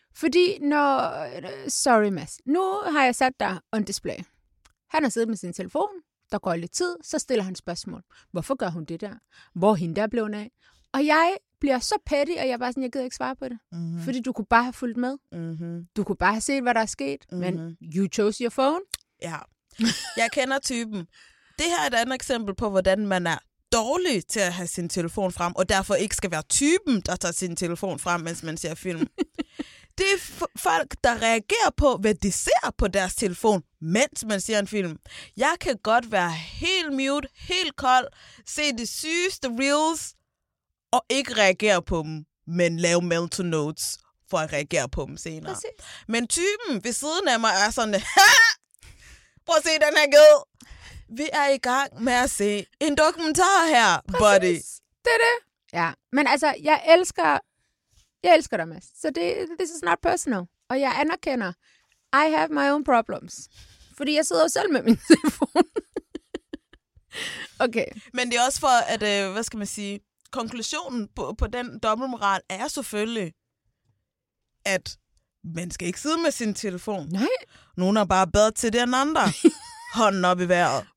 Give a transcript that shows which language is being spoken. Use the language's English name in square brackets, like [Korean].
[Danish] Fordi når... Sorry, Mads. Nu har jeg sat dig [English] on display. [Danish] Han har siddet med sin telefon. Der går lidt tid, så stiller han spørgsmål. Hvorfor gør hun det der? Hvor er hende der blevet af? Og jeg bliver så petty, og jeg bare sådan, jeg gider ikke svare på det. Mm-hmm. Fordi du kunne bare have fulgt med. Mm-hmm. Du kunne bare have set, hvad der er sket. Mm-hmm. Men [English] you chose your phone. [Danish] Ja. Jeg kender typen. Det her er et andet eksempel på, hvordan man er dårlig til at have sin telefon frem, og derfor ikke skal være typen, der tager sin telefon frem, mens man ser film. Det er folk, der reagerer på, hvad de ser på deres telefon, mens man ser en film. Jeg kan godt være helt mute, helt kold, se de sygeste reels, og ikke reagere på dem, men lave [English] mental notes [Danish] for at reagere på dem senere. Præcis. Men typen ved siden af mig er sådan, prøv at se den her ged. Vi er i gang med at se en dokumentar her, buddy. Det er det. Ja, men altså, jeg elsker dig, Mads. Så [English] this is not personal. [Danish] Og jeg anerkender, [English] I have my own problems. [Danish] Fordi jeg sidder selv med min telefon. Okay. Men det er også for, at, hvad skal man sige, konklusionen på den dobbeltmoral er selvfølgelig, at man skal ikke sidde med sin telefon. Nej. Nogen er bare bedre til det end andre. Hånden op i vejret.